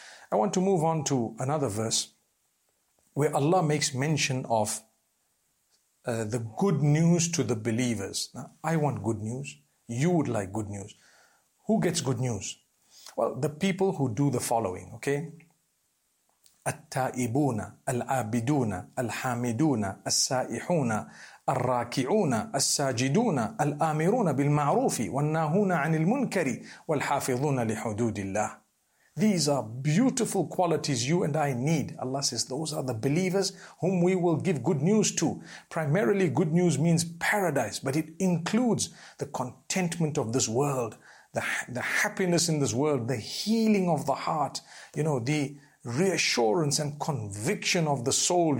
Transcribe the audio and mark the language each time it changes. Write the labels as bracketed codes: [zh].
[en] I want to move on to another verse where Allah makes mention of the good news to the believers. Now, I want good news. You would like good news. Who gets good news? Well, the people who do the following, okay? [ar] التائبون العابدون الحامدون السائحون الراكعون الساجدون الآمرون بالمعروف والناهون عن المنكر والحافظون لحدود الله. [en] These are beautiful qualities you and I need. Allah says those are the believers whom we will give good news to. Primarily good news means paradise, but it includes the contentment of this world, the happiness in this world, the healing of the heart, you know, the reassurance and conviction of the soul.